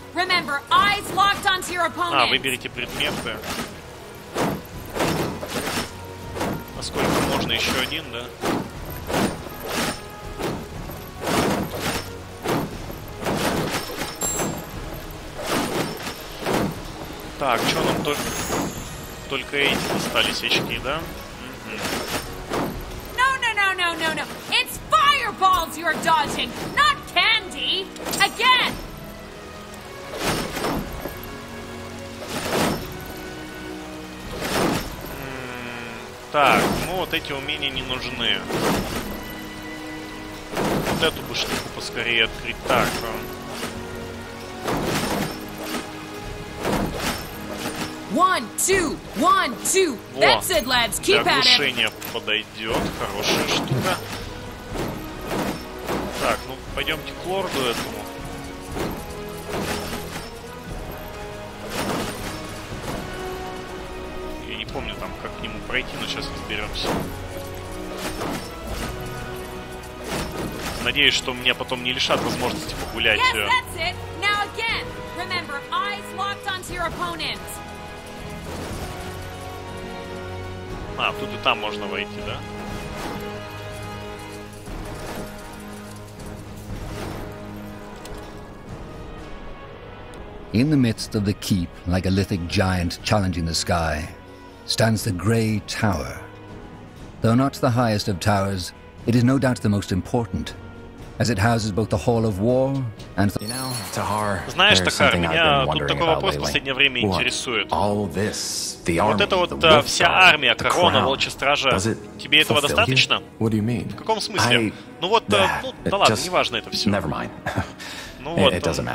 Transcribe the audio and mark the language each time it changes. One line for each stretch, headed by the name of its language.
English: Remember, eyes locked onto your opponent.
Russian: А, выберите предметы. Насколько можно еще один, да? Так, что нам только эти остались очки, да?
English: No. It's fireballs you're dodging, not candy. Again.
Russian: Так, ну вот эти умения не нужны. Вот эту бы штуку поскорее открыть. Так.
English: One, two. That's it, lads. Keep at it.
Russian: Для оглушения подойдет. Хорошая штука. Так, ну пойдемте к лорду этому. Я не помню там, как к нему пройти, но сейчас разберемся. Надеюсь, что меня потом не лишат возможности погулять.
English: Yes, that's it. Now again. Remember, eyes locked onto your opponent.
Russian: А, тут и там можно войти, да?
English: In the midst of the keep, like a lithic giant challenging the sky, stands the Grey Tower. Though not the highest of towers, it is no doubt the most important. as it houses both the Hall of War and the... You know, Tahar,
Russian: знаешь, Тахар, меня тут такой вопрос в последнее время интересует.
English: This, army,
Russian: вот это вот вся армия, корона, волчья стража, тебе этого достаточно? В каком смысле? Ну вот, ну да ладно, just... неважно это все.
English: Never mind.
Russian: Ну вот,
English: it doesn't